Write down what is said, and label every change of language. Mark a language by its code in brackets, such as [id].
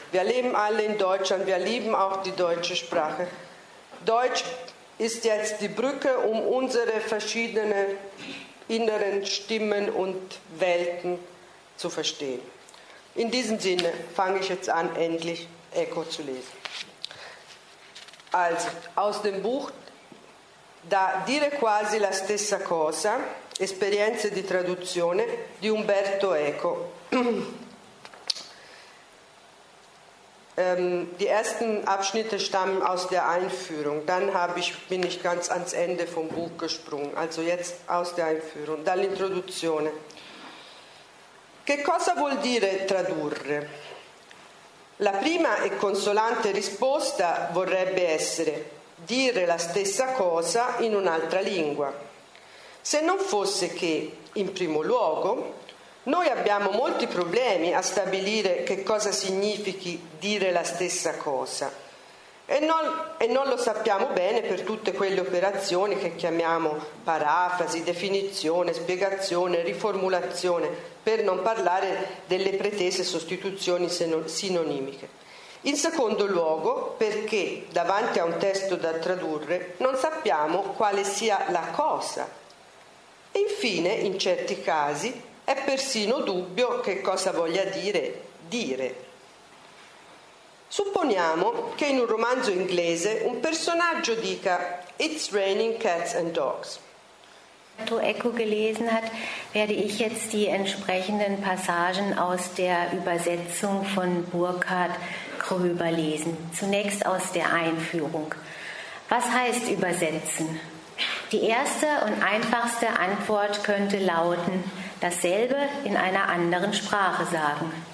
[de] Wir leben alle in Deutschland, wir lieben auch die deutsche Sprache. Deutsch ist jetzt die Brücke, um unsere verschiedenen inneren Stimmen und Welten zu verstehen. In diesem Sinne fange ich jetzt an, endlich Echo zu lesen. Also, aus dem Buch Da dire quasi la stessa cosa, esperienze di traduzione di Umberto Eco. Die ersten Abschnitte stammen aus der Einführung, dann bin ich ganz ans Ende vom Buch gesprungen, also jetzt aus der Einführung, dall'introduzione. [it] Che cosa vuol dire tradurre? La prima e consolante risposta vorrebbe essere dire la stessa cosa in un'altra lingua. Se non fosse che, in primo luogo, noi abbiamo molti problemi a stabilire che cosa significhi dire la stessa cosa e non lo sappiamo bene per tutte quelle operazioni che chiamiamo parafrasi, definizione, spiegazione, riformulazione, per non parlare delle pretese sostituzioni sinonimiche. In secondo luogo, perché davanti a un testo da tradurre non sappiamo quale sia la cosa. E infine, in certi casi, è persino dubbio che cosa voglia dire. Supponiamo che in un romanzo inglese un personaggio dica [en] «It's raining cats and dogs». [de] Wenn du Echo gelesen hat, werde ich jetzt die entsprechenden Passagen aus der Übersetzung von Burkhard Gröber lesen. Zunächst aus der Einführung. Was heißt übersetzen? Die erste und einfachste Antwort könnte lauten, dasselbe in einer anderen Sprache sagen.